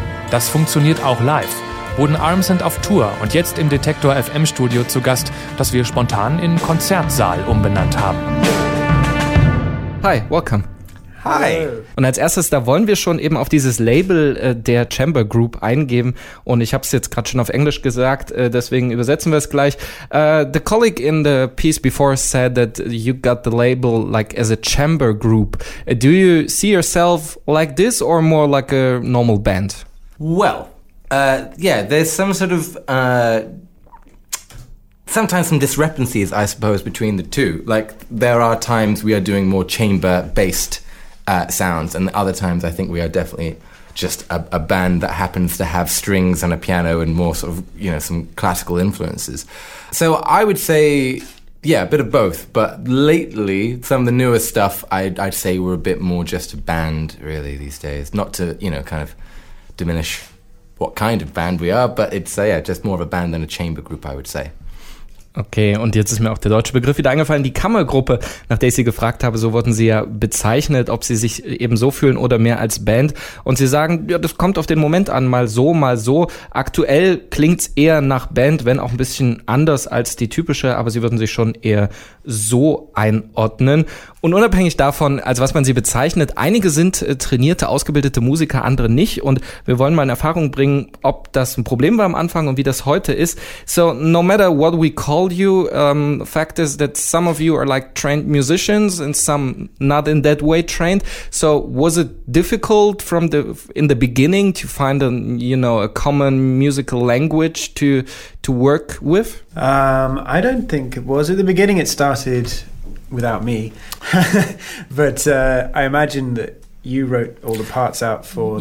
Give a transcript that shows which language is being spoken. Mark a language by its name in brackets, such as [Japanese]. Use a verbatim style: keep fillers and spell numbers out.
[German] Das funktioniert auch live. Wooden Arms sind auf Tour und jetzt im Detektor F M Studio zu Gast, das wir spontan in Konzertsaal umbenannt haben. [English] Hi, welcome. Hi. [German] Und als erstes, da wollen wir schon eben auf dieses Label äh, der Chamber Group eingeben. Und ich habe es jetzt gerade schon auf Englisch gesagt, äh, deswegen übersetzen wir es gleich. [English] Uh, the colleague in the piece before said that you got the label like as a chamber group. Uh, do you see yourself like this or more like a normal band? Well, uh, yeah, there's some sort of... Uh, sometimes some discrepancies, I suppose, between the two. Like, there are times we are doing more chamber-based Uh, sounds, and other times I think we are definitely just a, a band that happens to have strings and a piano and more sort of, you know, some classical influences. So I would say, yeah, a bit of both, but lately some of the newer stuff I'd, I'd say we're a bit more just a band really these days. Not to, you know, kind of diminish what kind of band we are, but it's uh, yeah, just more of a band than a chamber group, I would say. [German] Okay, und jetzt ist mir auch der deutsche Begriff wieder eingefallen. Die Kammergruppe, nach der ich Sie gefragt habe, so wurden Sie ja bezeichnet, ob Sie sich eben so fühlen oder mehr als Band. Und Sie sagen, ja, das kommt auf den Moment an, mal so, mal so. Aktuell klingt's eher nach Band, wenn auch ein bisschen anders als die typische, aber Sie würden sich schon eher so einordnen. Und unabhängig davon, als was man sie bezeichnet, einige sind trainierte, ausgebildete Musiker, andere nicht. Und wir wollen mal in Erfahrung bringen, ob das ein Problem war am Anfang und wie das heute ist. [English] So, no matter what we call you. Um, fact is that some of you are like trained musicians and some not in that way trained. So was it difficult from the in the beginning to find a you know a common musical language to to work with? Um, I don't think it was at the beginning. It started without me, but uh, I imagine that you wrote all the parts out for